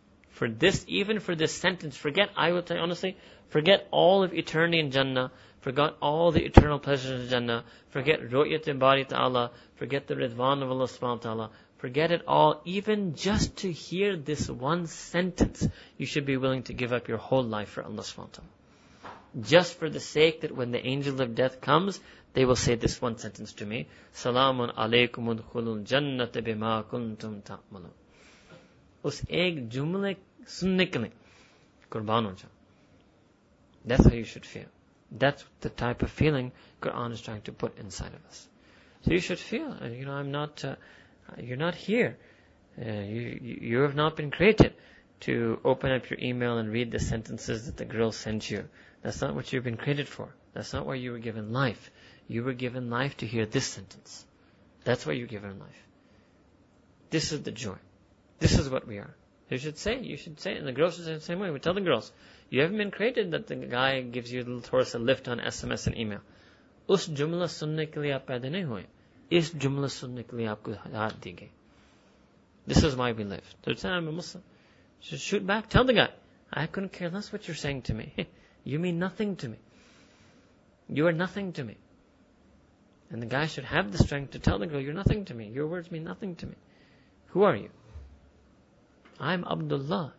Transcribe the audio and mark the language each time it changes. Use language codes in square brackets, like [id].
[en] For this, even for this sentence, forget, I will tell you honestly, forget all of eternity in Jannah, forget all the eternal pleasures in Jannah, forget Ru'yat Bari Ta'ala, forget the Ridwan of Allah subhanahu wa ta'ala, forget it all, even just to hear this one sentence, you should be willing to give up your whole life for Allah subhanahu wa ta'ala. Just for the sake that when the angel of death comes, they will say this one sentence to me, [ar] Salamun alaykum udkhulul jannata bima kuntum ta'malun. [ur] اس ایک جملے سننے کے لیے قربان ہو جاؤ۔ [en] That's how you should feel. That's the type of feeling Quran is trying to put inside of us. So you should feel, you know, I'm not... You're not here. You have not been created to open up your email and read the sentences that the girl sent you. That's not what you've been created for. That's not why you were given life. You were given life to hear this sentence. That's why you're given life. This is the joy. This is what we are. You should say, and the girls should say the same way. We tell the girls, you haven't been created that the guy gives you the little horse a lift on SMS and email. [ur] اس جملہ سننے کے لیے آپ پیدا نہیں ہوئے۔ اس جملہ سننے کے لیے آپکو ہاتھ دی گئے۔ [en] This is why we live. So say, I'm a Muslim. Just shoot back. Tell the guy, I couldn't care less what you're saying to me. You mean nothing to me. You are nothing to me. And the guy should have the strength to tell the girl, you're nothing to me. Your words mean nothing to me. Who are you? I'm Abdullah.